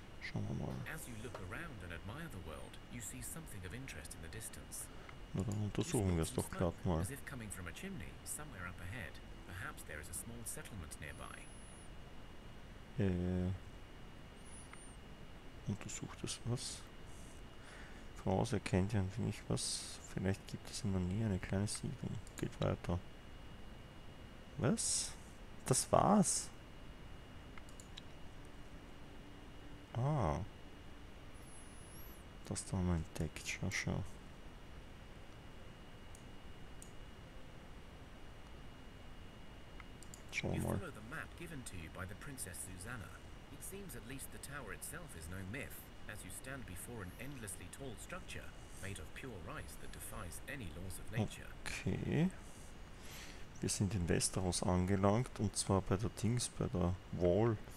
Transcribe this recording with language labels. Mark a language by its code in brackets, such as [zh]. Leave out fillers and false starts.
[en] As you look around and admire the world, you see something of interest in the distance. [de] Na, dann untersuchen wir es doch gerade mal. [en] As if coming from a chimney, somewhere up ahead, perhaps there is a small settlement nearby. [de] Untersucht es was? Voraus erkennt ja ein wenig was. Vielleicht gibt es in der Nähe eine kleine Siedlung. Geht weiter. Was? Das war's. Ah. Das da haben wir entdeckt. Schau, schau. Schau mal. [en] You follow the map given to you by the Princess Susanna. It seems at least the tower itself is no myth, as you stand before an endlessly tall structure made of pure rice that defies any laws of nature. Okay. [de] Wir sind in Westeros angelangt, und zwar bei der Dings, bei der Wall.